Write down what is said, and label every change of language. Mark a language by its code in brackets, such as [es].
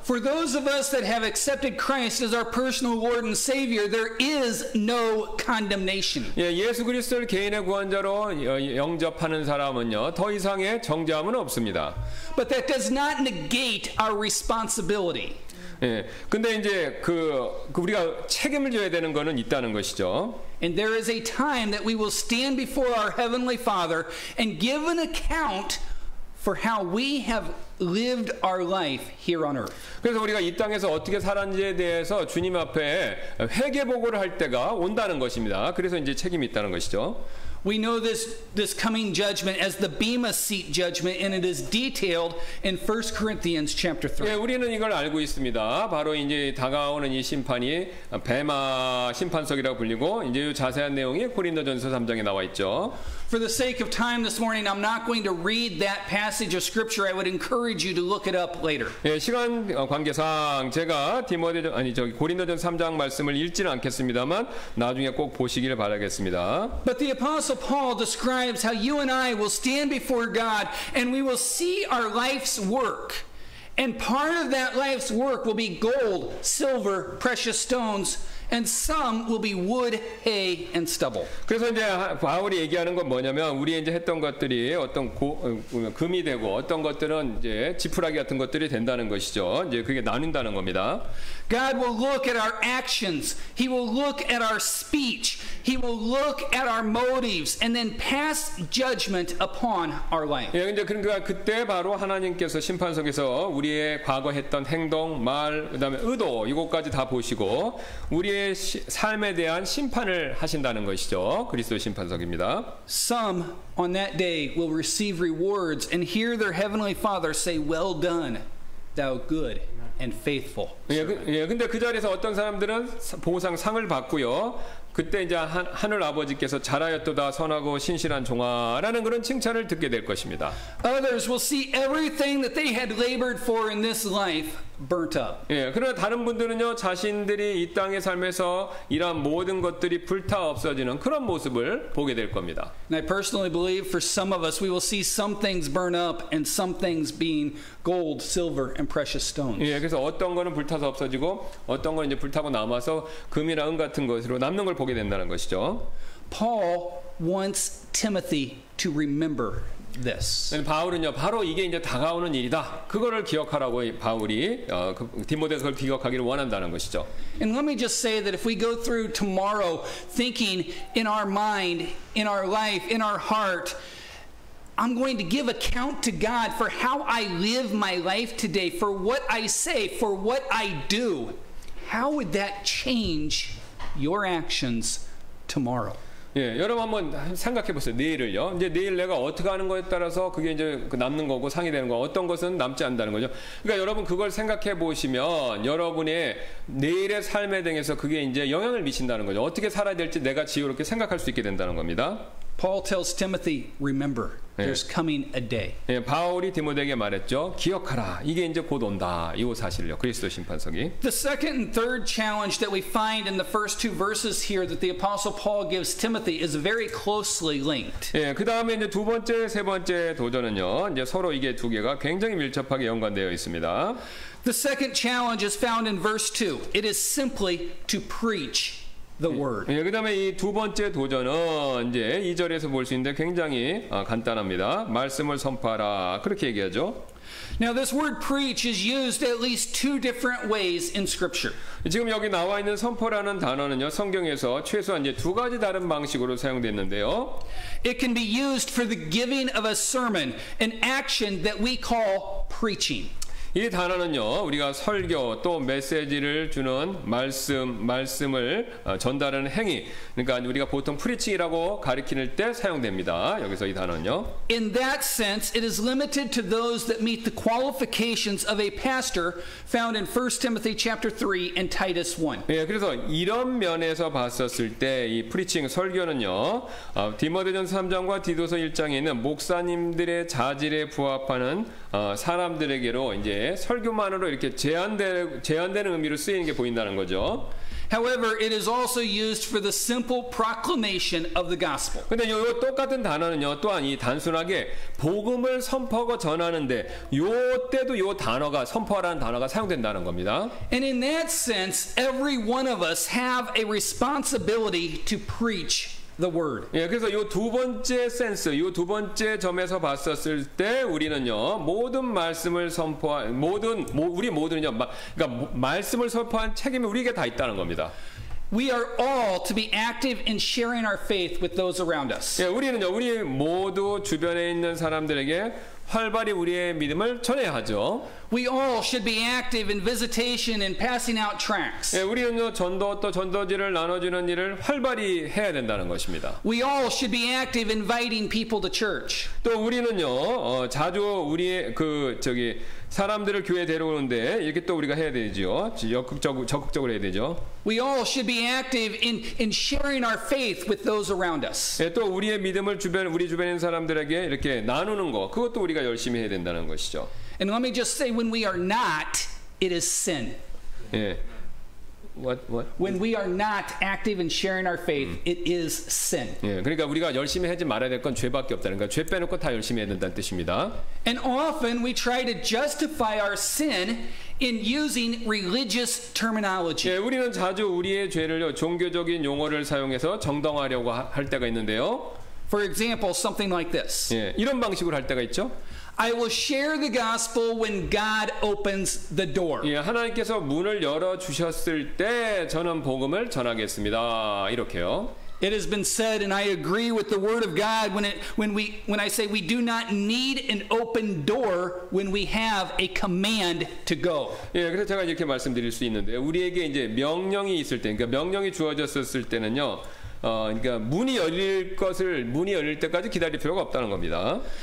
[en] For those of us that have accepted Christ as our personal Lord and Savior, there is no condemnation. [ko] 예, 예수 그리스도를 개인의 구원자로 영접하는 사람은요, 더 이상의 정죄함은 없습니다. [en] But that does not negate our responsibility. [ko] 예, 근데 이제 그 우리가 책임을 져야 되는 것은 있다는 것이죠. [en] And there is a time that we will stand before our heavenly Father and give an account for how we have lived our life here on earth. [ko] 그래서 우리가 이 땅에서 어떻게 살았는지에 대해서 주님 앞에 회개 보고를 할 때가 온다는 것입니다. 그래서 이제 책임이 있다는 것이죠. [en] We know this coming judgment as the Bema Seat judgment, and it is detailed in 1 Corinthians chapter 3. [ko] 예, 우리는 이걸 알고 있습니다. 바로 이제 다가오는 이 심판이 베마 심판석이라고 불리고 이제 자세한 내용이 고린도전서 3장에 나와 있죠. [en] For the sake of time this morning, I'm not going to read that passage of scripture. I would encourage you to look it up later. [ko] 예, 시간 관계상 제가 고린도전 3장 말씀을 읽지는 않겠습니다만 나중에 꼭 보시기를 바라겠습니다. [en] But the Apostle Paul describes how you and I will stand before God and we will see our life's work. And part of that life's work will be gold, silver, precious stones, and some will be wood, hay, and stubble. [ko] 그래서 이제 바울이 얘기하는 건 뭐냐면 우리 이제 했던 것들이 어떤 금이 되고 어떤 것들은 이제 지푸라기 같은 것들이 된다는 것이죠. 이제 그게 나뉜다는 겁니다. [en] God will look at our actions. He will look at our speech. He will look at our motives and then pass judgment upon our life. [ko] 예, 근데 그러니까 그때 바로 하나님께서 심판석에서 우리의 과거 했던 행동, 말, 그다음에 의도 이것까지 다 보시고 우리의 삶에 대한 심판을 하신다는 것이죠. 그리스도 심판석입니다. [en] Some on that day will receive rewards and hear their heavenly Father say, "Well done, thou good and faithful." [ko] 예, 근데 그 자리에서 어떤 사람들은 보상 상을 받고요. 그때 이제 하늘 아버지께서 잘하였도다 선하고 신실한 종아라는 그런 칭찬을 듣게 될 것입니다. [en] Others will see everything that they had labored for in this life burnt up. [ko] 예, 그러나 다른 분들은요 자신들이 이 땅의 삶에서 이러한 모든 것들이 불타 없어지는 그런 모습을 보게 될 겁니다. [en] And I personally believe for some of us we will see some things burn up and some things being gold, silver, and precious stones. [ko] 예, 그래서 어떤 거는 불타서 없어지고 어떤 거는 이제 불타고 남아서 금이나 은 같은 것으로 남는 걸 보게 된다는 것이죠. [en] Paul wants Timothy to remember this. [ko] 바울은요, 바로 이게 이제 다가오는 일이다. 그거를 기억하라고 바울이 디모데에서 그걸 기억하기를 원한다는 것이죠. [en] And let me just say that if we go through tomorrow thinking in our mind, in our life, in our heart, I'm going to give account to God for how I live my life today, for what I say, for what I do. How would that change your actions tomorrow? [ko] 예, 여러분 한번 생각해 보세요. 내일을요. 이제 내일 내가 어떻게 하는 거에 따라서 그게 이제 남는 거고 상이 되는 거, 어떤 것은 남지 않는다는 거죠. 그러니까 여러분 그걸 생각해 보시면 여러분의 내일의 삶에 대해서 그게 이제 영향을 미친다는 거죠. 어떻게 살아야 될지 내가 지혜롭게 생각할 수 있게 된다는 겁니다. [en] Paul tells Timothy, "Remember, there's coming a day." [ko] 예, 바울이 디모데에게 말했죠. 기억하라. 이게 이제 곧 온다. 이 사실이요. 그리스도 심판석이. [en] The second and third challenge that we find in the first two verses here that the Apostle Paul gives Timothy is very closely linked. [ko] 예, 그 다음에 이제 두 번째, 세 번째 도전은요. 이제 서로 이게 두 개가 굉장히 밀접하게 연관되어 있습니다. [en] The second challenge is found in verse 2. It is simply to preach. The word. [ko] 예, 그다음에 이 두 번째 도전은 이제 2절에서 볼 수 있는데 굉장히 간단합니다. 말씀을 선포하라 그렇게 얘기하죠. [en] Now this word preach is used at least two different ways in scripture. [ko] 지금 여기 나와 있는 선포라는 단어는요. 성경에서 최소한 이제 두 가지 다른 방식으로 사용됐는데요. [en] It can be used for the giving of a sermon, an action that we call preaching. [ko] 이 단어는요, 우리가 설교 또 메시지를 주는 말씀을 전달하는 행위, 그러니까 우리가 보통 프리칭이라고 가리키는 때 사용됩니다. 여기서 이 단어는요. [en] In that sense, it is limited to those that meet the qualifications of a pastor found in 1 Timothy chapter 3 and Titus 1. [ko] 예, 그래서 이런 면에서 봤었을 때 이 프리칭 설교는요, 디모데전서 3장과 디도서 1장에 있는 목사님들의 자질에 부합하는 사람들에게로 이제 설교만으로 이렇게 제한되는 의미로 쓰이는 게 보인다는 거죠. [en] However, it is also used for the simple proclamation of the gospel. [ko] 근데 요 똑같은 단어는요, 또한 이 단순하게 복음을 선포하고 전하는데 요 때도 요 단어가 선포하라는 단어가 사용된다는 겁니다. [en] And in that sense, every one of us have a responsibility to preach the word. [ko] 예, 그래서 요 두 번째 센스, 요 두 번째 점에서 봤었을 때 우리는요, 모든 말씀을 선포한 우리 모두는요, 그러니까 말씀을 선포한 책임이 우리에게 다 있다는 겁니다. [en] We are all to be active in sharing our faith with those around us. [ko] 예, 우리는요, 우리 모두 주변에 있는 사람들에게 활발히 우리의 믿음을 전해야 하죠. [en] We all should be active in visitation and passing out tracts. [ko] 예, 우리는요, 전도 또 전도지를 나눠주는 일을 활발히 해야 된다는 것입니다. [en] We all should be active inviting people to church. [ko] 또 우리는요, 자주 우리의 사람들을 교회에 데려오는데 이렇게 또 우리가 해야 되죠. 적극적으로 해야 되죠. [en] We all should be active in sharing our faith with those around us. [ko] 예, 또 우리의 믿음을 우리 주변에 있는 사람들에게 이렇게 나누는 거, 그것도 우리가 열심히 해야 된다는 것이죠. [en] And let me just say, when we are not, it is sin. [ko] 예. [en] What? When we are not active in sharing our faith, it is sin. [ko] 예, 그러니까 우리가 열심히 하지 말아야 될 건 죄밖에 없다는 거. 죄 빼놓고 다 열심히 해야 된다는 뜻입니다. [en] And often we try to justify our sin in using religious terminology. [ko] 예, 우리는 자주 우리의 죄를요, 종교적인 용어를 사용해서 정당화하려고 할 때가 있는데요. [en] For example, something like this. [ko] 예, 이런 방식으로 할 때가 있죠. [en] I will share the gospel when God opens the door. [ko] 예, 하나님께서 문을 열어 주셨을 때 저는 복음을 전하겠습니다. 이렇게요. [en] It has been said, and I agree with the word of God when I say we do not need an open door when we have a command to go. [ko] 예, 그래서 제가 이렇게 말씀드릴 수 있는데 우리에게 이제 명령이 있을 때, 그러니까 명령이 주어졌었을 때는요. 그러니까 문이 열릴 것을 문이 열릴 때까지 기다릴 필요가 없다는 겁니다.